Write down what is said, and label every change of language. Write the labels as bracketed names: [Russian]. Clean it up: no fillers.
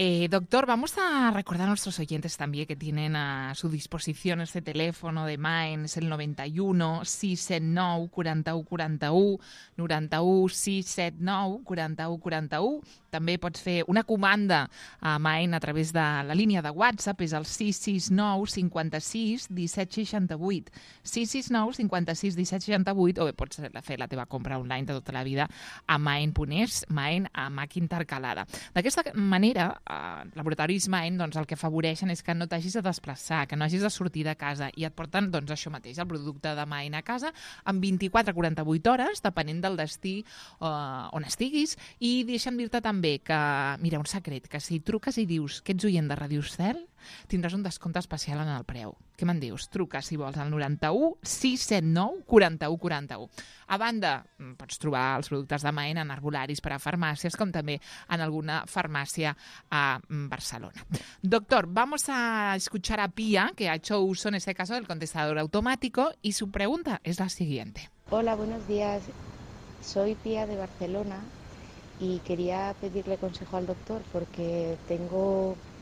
[Spanish] Doctor, vamos a recordar a nuestros oyentes también que tienen a su disposición este teléfono de Mainz, el 91-679-4141. [Catalan] També pots fer una comanda a Mainz a través de la línia de WhatsApp, és el 669-56-1768. 669-56-1768, o bé pots fer la teva compra online de tota la vida a Mainz.es, Mainz a màquina intercalada. D'aquesta manera, laboratoris Mainz, doncs, el que afavoreixen és que no t'hagis de desplaçar, que no hagis de sortir de casa i et porten, doncs, això mateix, el producte de Mainz a casa en 24-48 hores, depenent del destí on estiguis. I deixa'm dir-te també que, mira, un secret, que si truques i dius que ets oient de Ràdio Cel, tindràs un descompte especial en el preu. Què me'n dius? Truca, si vols, al 91-679-4141. A banda, pots trobar els productes de Mainz en herbolaris per a farmàcies, com també en alguna farmàcia a Barcelona. [Spanish] Doctor, vamos a escuchar a Pia, que ha hecho uso en este caso del contestador automático, y su pregunta es la siguiente. Hola, buenos días. Soy Pia de Barcelona y quería pedirle consejo al doctor porque tengo...